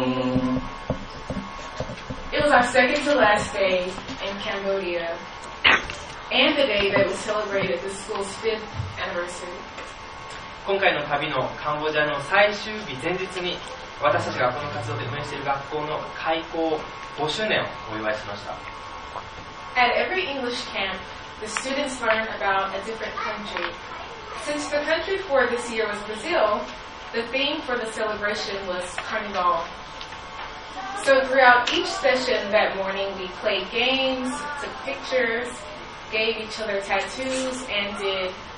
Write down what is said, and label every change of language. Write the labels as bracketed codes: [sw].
[en] It was our second to last day in Cambodia, and the day that we celebrated the school's fifth anniversary. [ja] 今回の旅のカンボジアの最終日前日に、私たちがこの活動で運営している学校の開校5周年をお祝いしました。 [en] At every English camp, the students learn about a different country. Since the country for this year was Brazil, the theme for the celebration was Carnival. So throughout each session that morning, we played games, took pictures, gave each other tattoos, and did